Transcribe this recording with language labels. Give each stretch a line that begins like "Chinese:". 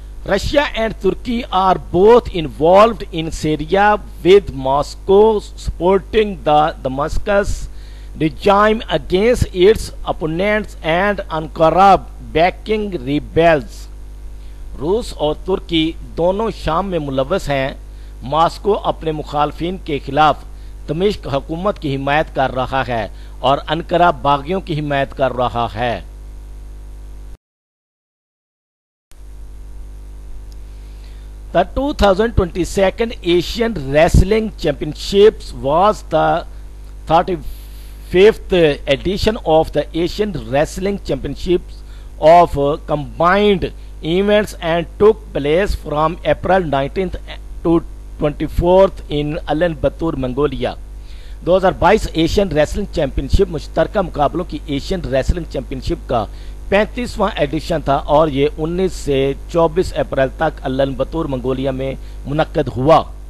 English: Russia and Turkey are both involved in Syria with Moscow supporting the Damascus regime against its opponents and Ankara backing rebels.
Urdu: روس اور ترکی دونوں شام میں ملوث ہیں. ماسکو اپنے مخالفین کے خلاف دمشق حکومت کی حمایت کر رہا ہے اور انکارا باغیوں کی حمایت کر رہا ہے.
English: The 2022 Asian wrestling championships was the 35th edition of the Asian wrestling championships of combined events and took place from April 19th to 24th in Ulaanbaatar Mongolia.
Urdu: 2022 ایشین ریسلنگ چیمپئن شپ مشترکہ مقابلوں کی ایشین ریسلنگ چیمپئن شپ کا 35th edition تھا اور یہ 19 سے 24 April تک الن بطور منگولیا میں منعقد ہوا.